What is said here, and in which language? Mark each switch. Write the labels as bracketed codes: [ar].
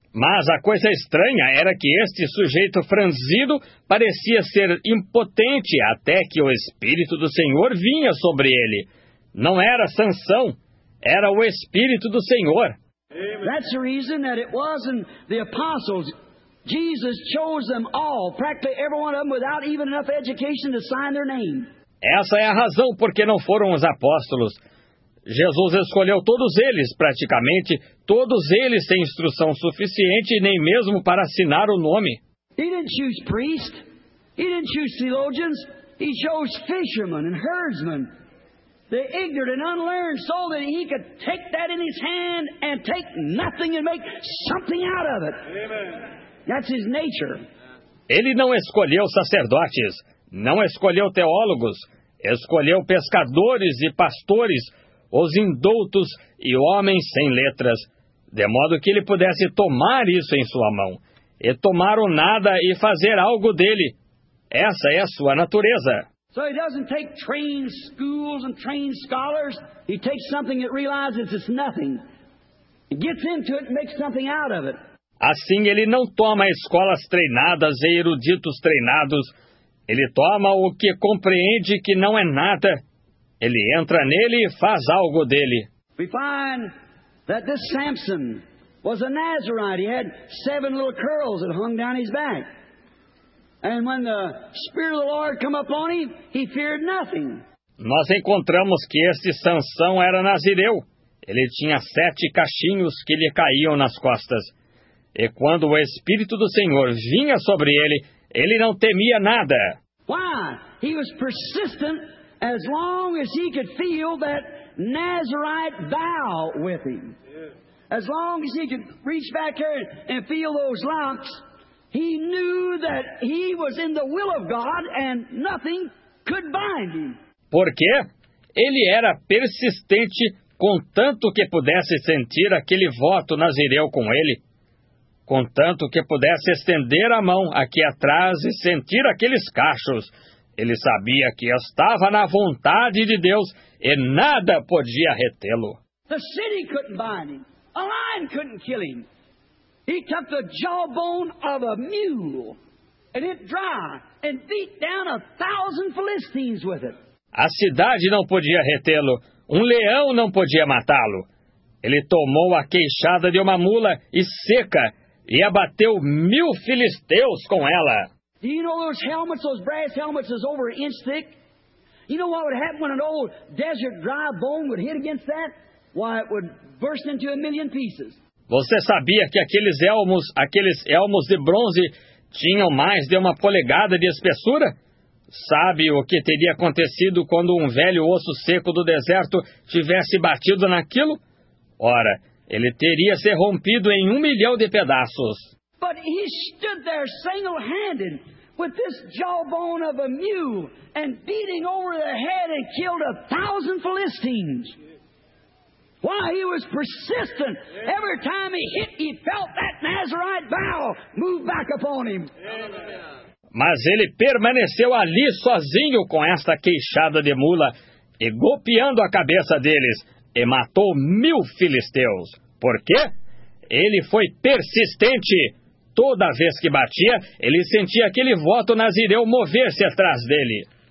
[pt] Mas a coisa estranha era que este sujeito franzido parecia ser impotente até que o Espírito do Senhor vinha sobre ele. Não era Sansão, era o Espírito do Senhor. [en] That's the reason that it wasn't the apostles. Jesus chose them all, practically every one of them, without even enough education to sign their name. [pt] Essa é a razão porque não foram os apóstolos. Jesus escolheu todos eles, praticamente todos eles sem instrução suficiente nem mesmo para assinar o nome. [en] He didn't choose priests, he didn't choose theologians, he chose fishermen and herdsmen, the ignorant and unlearned, so that he could take that in his hand and take nothing and make something out of it. Amen. That's his nature. [pt] Ele não escolheu sacerdotes, não escolheu teólogos, escolheu pescadores e pastores, os indoutos e homens sem letras, de modo que ele pudesse tomar isso em sua mão, e tomar o nada e fazer algo dele. Essa é a sua natureza. [en] So he doesn't take trained schools and trained scholars. He takes something that realizes it's nothing. He gets into it and makes something out of it. [pt] Assim, ele não toma escolas treinadas e eruditos treinados. Ele toma o que compreende que não é nada. Ele entra nele e faz algo dele. [en] We find that this Samson was a Nazarite. He had seven little curls that hung down his back. And when the Spirit of the Lord came upon him, he feared nothing. [pt] Nós encontramos que este Sansão era Nazireu. Ele tinha sete cachinhos que lhe caíam nas costas. E quando o Espírito do Senhor vinha sobre ele, ele não temia nada. [en] Why? He was persistent. As long as he could feel that Nazarite vow with him. As long as he could reach back there and feel those locks, he knew that he was in the will of God and nothing could bind him. [pt] Por quê? Ele era persistente contanto que pudesse sentir aquele voto nazireu com ele. contanto que pudesse estender a mão aqui atrás e sentir aqueles cachos. Ele sabia que estava na vontade de Deus e nada podia retê-lo. [en] A city couldn't bind him. A lion couldn't kill him. He took the jawbone of a mule and it dry and beat down 1,000 Philistines with it. [pt] A cidade não podia retê-lo. Um leão não podia matá-lo. Ele tomou a queixada de uma mula e seca e abateu 1,000 filisteus com ela. [en] Do you know those helmets, those brass helmets, is over an inch thick? You know what would happen when an old desert dry bone would hit against that? Why, it would burst into a million pieces. [pt] Você sabia que aqueles elmos de bronze, tinham mais de uma polegada de espessura? Sabe o que teria acontecido quando um velho osso seco do deserto tivesse batido naquilo? Ora, ele teria se rompido em 1,000,000 de pedaços. [en] But he stood there single-handed with this jawbone of a mule and beating over the head and killed 1,000 Philistines. Why, he was persistent. Every time he hit, he felt that Nazarite vow move back upon him. [pt] Mas ele permaneceu ali sozinho com esta queixada de mula e golpeando a cabeça deles e matou 1,000 filisteus. Por quê? Ele foi persistente. Toda vez que batia, ele sentia aquele voto nazireu mover-se atrás dele.